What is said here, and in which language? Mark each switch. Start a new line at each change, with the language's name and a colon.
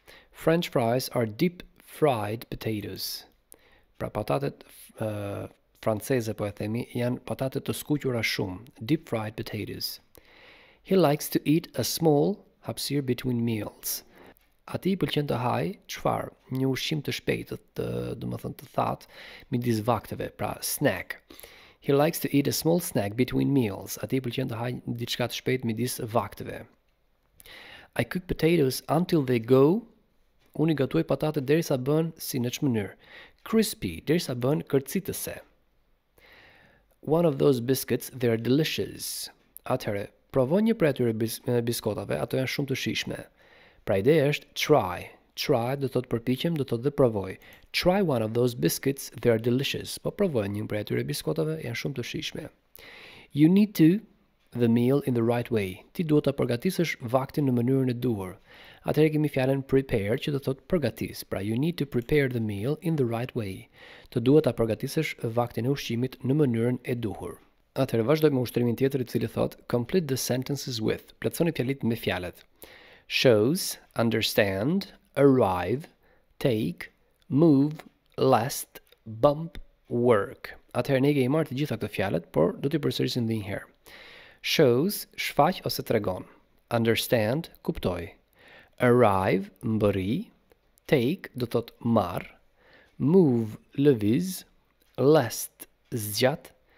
English: French fries are deep fried potatoes.
Albanian: Pra patatet franceze po e themi janë patate të skuqura shumë,
English: deep fried potatoes. He likes to eat a small hapsir between meals.
Albanian: Ati i pëlqen të haj çfarë? Një ushqim të shpejtë, domethënë të thatë midis vakteve, pra snack.
English: He likes to eat a small snack between meals.
Albanian: Ati i pëlqen të haj diçka të shpejtë midis vakteve.
English: I cook potatoes until they go.
Albanian: Unë i gatuaj patatet derisa bën si në ç'mënyrë. Crispy, derisa bën kërcitëse.
English: One of those biscuits, they are delicious.
Albanian: Atëherë, provo një prej atyre biskotave, ato janë shumë të shijshme. Pra ideja është try. Try do thotë përpiqem, do thotë dhe provoj.
English: Try one of those biscuits, they are delicious.
Albanian: Po provoj një prej atyre biskotave, janë shumë të shijshme.
English: You need to the meal in the right way.
Albanian: Ti duhet ta përgatisësh vaktin në mënyrën e duhur. Atëherë kemi fjalën prepare që do thotë përgatis.
English: Pra you need to prepare the meal in the right way.
Albanian: Të duhet ta përgatisësh vaktin e ushqimit në mënyrën e duhur. Atëherë vazhdojmë me ushtrimin tjetër i cili thotë
English: complete the sentences with.
Albanian: Plotësoni fjalit me fjalët.
English: Shows, understand, arrive, take, move, last, bump, work.
Albanian: Atëherë ne kemi marrë të gjitha këto fjalët, por do t'i përsërisim edhe një herë. Shows, shfaq ose tregon. Understand, kuptoj. Arrive, mbëri. Take, do thot marr. Move, lëviz. Last, zgjat.